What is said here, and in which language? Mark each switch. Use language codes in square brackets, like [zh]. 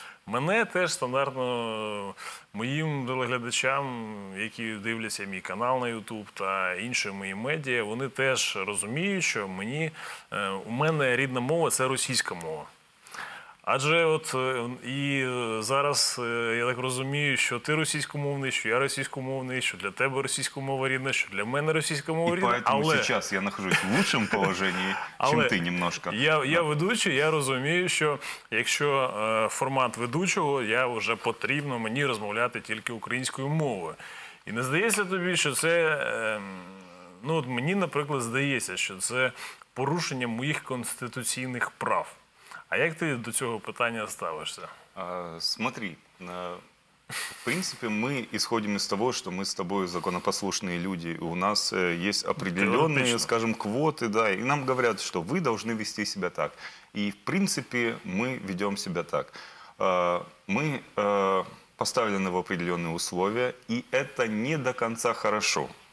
[uk] Мене теж стандартно, моїм телеглядачам, які дивляться мій канал на YouTube та інші мої медіа, вони теж розуміють, що мені, у мене рідна мова – це російська мова. Адже от і зараз я так розумію, що ти російськомовний, що я російськомовний, що для тебе російська мова рідна, що для мене російська мова рідна. [ru] І поэтому сейчас я нахожусь в лучшому положенні, чим ти немножко. [uk] Я ведучий, я розумію, що якщо формат ведучого, я вже потрібно мені розмовляти тільки українською мовою. І не здається тобі, що це, ну от мені, наприклад, здається, що це порушення моїх конституційних прав. А як ти до цього питання ставишся? [ru] Смотри, в принципе, мы исходим из того, что мы с тобой законопослушные люди. И у нас есть определенные, теоретично, скажем, квоты, да, и нам говорят, что вы должны вести себя так. И в принципе, мы ведем себя так. Мы поставлены в определенные условия, и это не до конца хорошо.